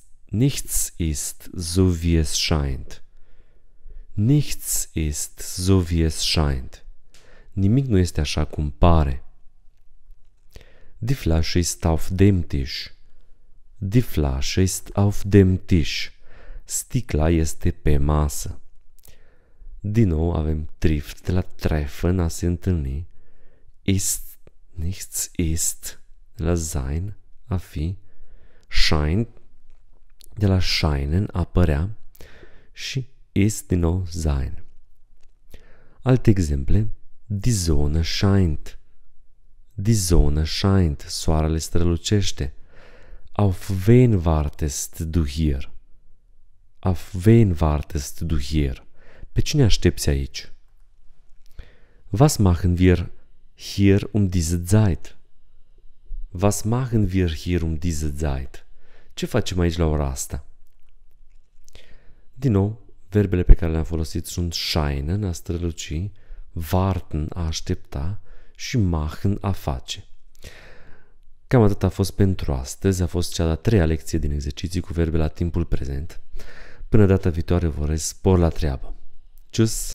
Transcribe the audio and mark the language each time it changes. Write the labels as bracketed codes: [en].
[de] Nichts ist so wie es scheint. Nichts ist so wie es scheint. [ro] Nimic nu este așa cum pare. [de] Die Flasche ist auf dem Tisch. Die Flasche ist auf dem Tisch. [ro] Sticla este pe masă. Din nou avem trifft, de la treffen, a se întâlni. Ist, nichts ist, de la sein, a fi. Scheint, de la scheinen, a părea. Și ist, din nou, sein. Alte exemple. [de] Die Sonne scheint. Die Sonne scheint. Soarele strălucește. Auf wen wartest du hier? Auf wen wartest du hier? Pe cine aștepți aici? Was machen wir hier um diese Zeit? Was machen wir hier um diese Zeit? [ro] Ce facem aici la ora asta? Din nou, verbele pe care le-am folosit sunt scheinen, a străluci, warten, a aștepta, și machen, a face. Cam atât a fost pentru astăzi, a fost cea de-a treia lecție din exerciții cu verbe la timpul prezent. Până data viitoare, vă urez spor la treabă. Tschüss!